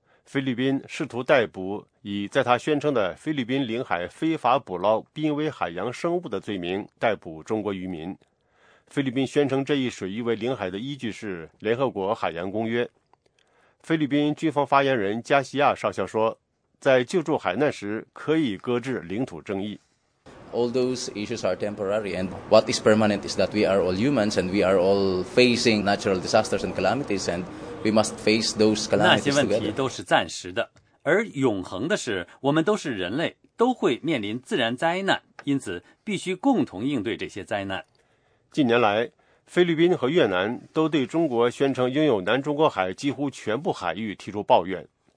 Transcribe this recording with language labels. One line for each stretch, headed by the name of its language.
Chinese: 菲律宾试图逮捕以在他宣称的菲律宾领海非法捕捞濒危海洋生物的罪名逮捕中国渔民。菲律宾宣称这一水域为领海的依据是联合国海洋公约。菲律宾军方发言人加西亚少校说，在救助海难时可以搁置领土争议。
English: All those issues are temporary, and what is permanent is that we are all humans and we are all facing natural disasters and calamities, and we must face those calamities together.
Chinese: 那些问题都是暂时的，而永恒的是，我们都是人类，都会面临自然灾难，因此必须共同应对这些灾难。近年来，菲律宾和越南都对中国宣称拥有南中国海几乎全部海域提出抱怨。